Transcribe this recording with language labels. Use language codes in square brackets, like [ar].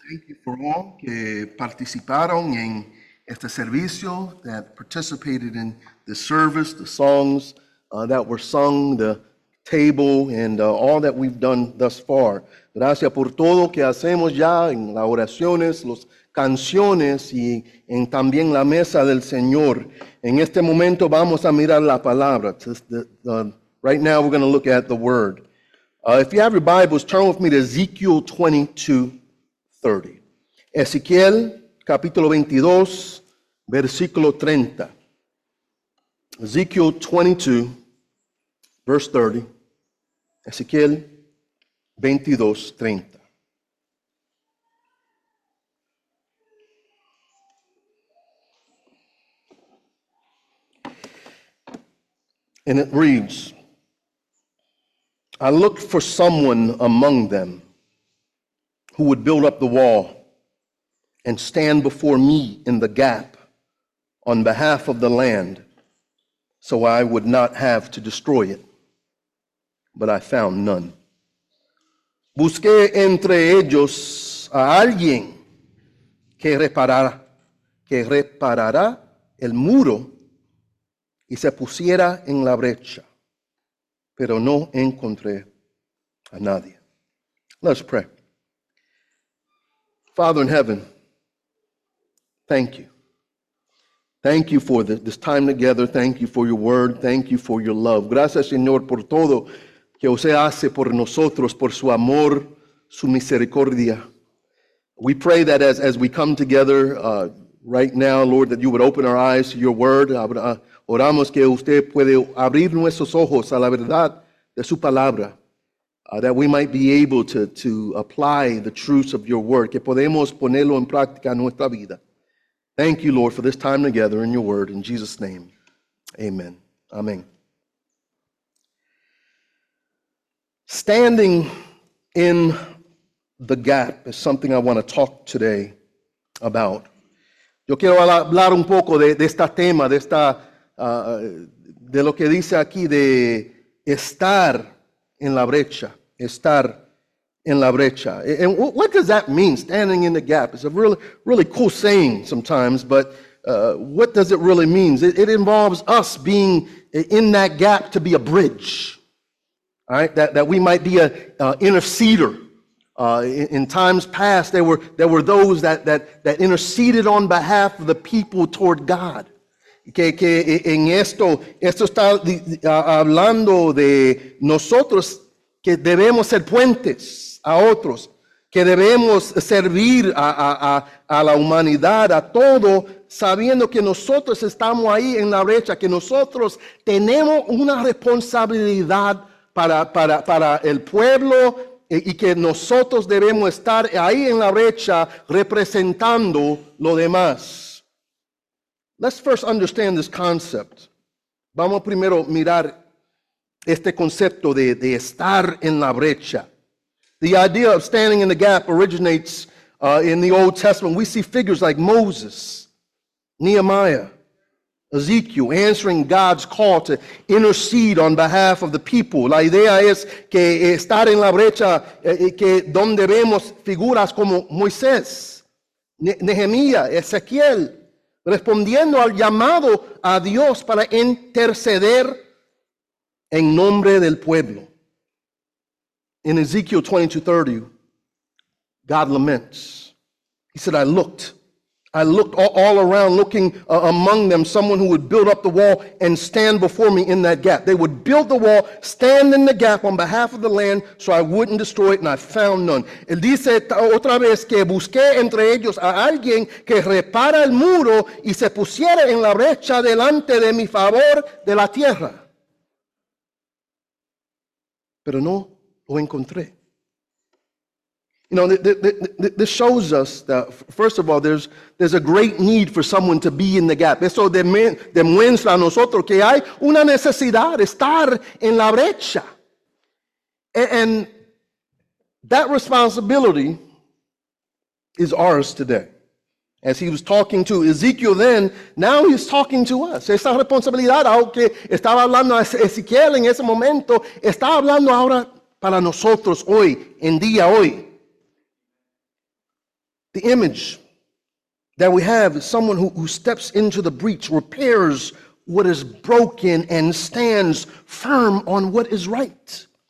[en] Thank you for all [es] que participaron en este servicio, [en] that participated in the service, the songs that were sung, the table, and all that we've done thus far. [es] Gracias por todo que hacemos ya en las oraciones, las canciones y en también la mesa del Señor. En este momento vamos a mirar la palabra. [en] Right now we're going to look at the word. If you have your Bibles, turn with me to Ezekiel 22, 30. [es] Ezequiel, capítulo 22, versículo 30. [en] Ezekiel 22, verse 30. [es] Ezequiel 22, 30. [en] And it reads, "I looked for someone among them who would build up the wall and stand before me in the gap on behalf of the land so I would not have to destroy it. But I found none. [es] Busqué entre ellos a alguien que reparara el muro y se pusiera en la brecha, pero no encontré a nadie." [en] Let's pray. Father in heaven, thank you. Thank you for this time together. Thank you for your word. Thank you for your love. [es] Gracias, Señor, por todo que usted hace por nosotros, por su amor, su misericordia. [en] We pray that as we come together right now, Lord, that you would open our eyes to your word. [es] Oramos que usted puede abrir nuestros ojos a la verdad de su palabra, [en] that we might be able to apply the truths of your word, [es] que podemos ponerlo en práctica en nuestra vida. [en] Thank you, Lord, for this time together in your word. In Jesus' name, amen. Amen. Standing in the gap is something I want to talk today about. [es] Yo quiero hablar un poco de este tema, de lo que dice aquí de estar en la brecha, estar en la brecha. [en] And what does that mean, standing in the gap? It's a really, really cool saying sometimes, but what does it really mean? It involves us being in that gap to be a bridge. All right, that we might be an interceder. In times past, there were those that interceded on behalf of the people toward God. [es] Que en esto está hablando de nosotros que debemos ser puentes a otros, que debemos servir a la humanidad, a todo, sabiendo que nosotros estamos ahí en la brecha, que nosotros tenemos una responsabilidad para el pueblo y que nosotros debemos estar ahí en la brecha representando lo demás. [en] Let's first understand this concept. [es] Vamos primero a mirar este concepto de estar en la brecha. [en] The idea of standing in the gap originates in the Old Testament. We see figures like Moses, Nehemiah, Ezekiel answering God's call to intercede on behalf of the people. [es] La idea es que estar en la brecha, que donde vemos figuras como Moisés, Nehemías, Ezequiel, respondiendo al llamado a Dios para interceder en nombre del pueblo. [en] In Ezekiel 22:30, God laments. He said, "I looked. I looked all around, looking among them, someone who would build up the wall and stand before me in that gap." They would build the wall, stand in the gap on behalf of the land, so I wouldn't destroy it, and I found none. [es] Él dice otra vez que busqué entre ellos a alguien que repara el muro y se pusiera en la brecha delante de mi favor de la tierra. Pero no lo encontré. [en] You know, this shows us that, first of all, there's a great need for someone to be in the gap. [es] Eso demuestra a nosotros que hay una necesidad de estar en la brecha. [en] And that responsibility is ours today. As he was talking to Ezekiel then, now he's talking to us. [es] Esa responsabilidad, aunque estaba hablando a Ezequiel en ese momento, está hablando ahora para nosotros hoy, en día hoy. [en] the image that we have is someone who steps into the breach, repairs what is broken, and stands firm on what is right.